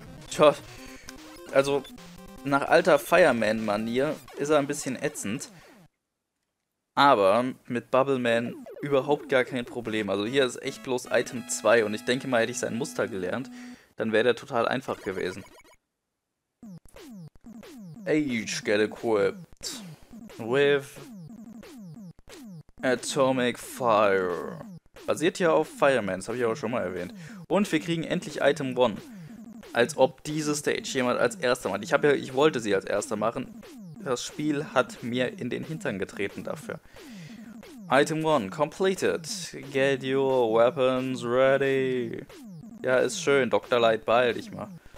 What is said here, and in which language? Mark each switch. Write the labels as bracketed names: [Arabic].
[German] Tja, also nach alter Fireman-Manier ist er ein bisschen ätzend. Aber mit Bubble Man überhaupt gar kein Problem. Also hier ist echt bloß Item 2 und ich denke mal, hätte ich sein Muster gelernt, dann wäre der total einfach gewesen. [English] Age get equipped with Atomic Fire. [German] Basiert ja auf Fireman, das habe ich aber schon mal erwähnt. Und wir kriegen endlich Item 1. Als ob diese Stage jemand als erster macht. Ich wollte sie als erster machen. Das Spiel hat mir in den Hintern getreten dafür. [English] Item 1 completed. Get your weapons ready. [German] Ja, ist schön. Dr. Light, beeil dich mal.